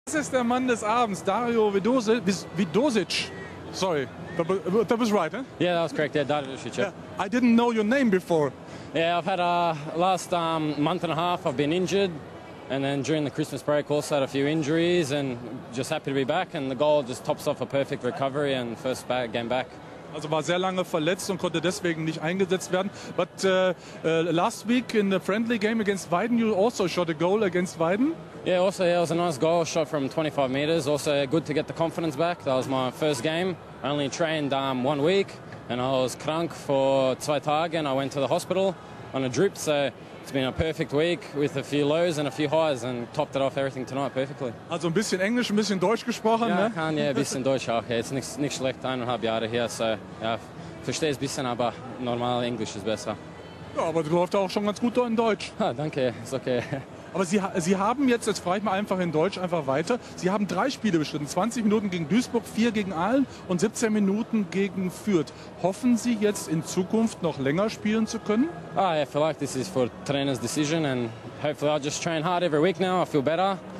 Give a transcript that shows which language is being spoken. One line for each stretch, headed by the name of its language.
German: Das ist der Mann des Abends, Dario Vidosic.
English: Sorry, that was right, eh? Yeah, that was correct. Yeah, Dario Vidosic. Yeah. I didn't know your name before. Yeah, I've had a last month and a half. I've been injured, and then during the Christmas break also had a few injuries, and just happy to be back. And the goal just tops off a perfect recovery and first game back.
German: Also war sehr lange verletzt und konnte deswegen nicht eingesetzt werden.
English: But last week in the friendly game against Weiden, you also shot a goal against Weiden. Yeah, also yeah, it was a nice goal shot from 25 meters. Also good to get the confidence back. That was my first game. I only trained 1 week and I was
German: krank
English: for
German: 2 Tage
English: and I went to the hospital on a drip. So it's been a perfect week with a few lows and a few highs and topped it off everything tonight perfectly.
German: Also ein bisschen Englisch, ein bisschen Deutsch gesprochen,
English: yeah,
German: ne? Ja, kann, ja, ein bisschen Deutsch auch. Okay.
English: It's
German: nicht schlecht, 1,5 Jahre hier, so ja, verstehe es ein bisschen, aber normal Englisch ist besser. Ja, aber du läufst auch schon ganz gut in Deutsch. Ah, danke, ist okay. Aber Sie haben jetzt, jetzt frage ich mal einfach in Deutsch einfach weiter, Sie haben 3 Spiele bestritten, 20 Minuten gegen Duisburg, 4 gegen Aalen und 17 Minuten gegen Fürth. Hoffen Sie jetzt in Zukunft noch länger spielen zu können?
English: Ah, yeah, I feel like this is for trainer's decision and hopefully I'll just train hard every week now, I feel better.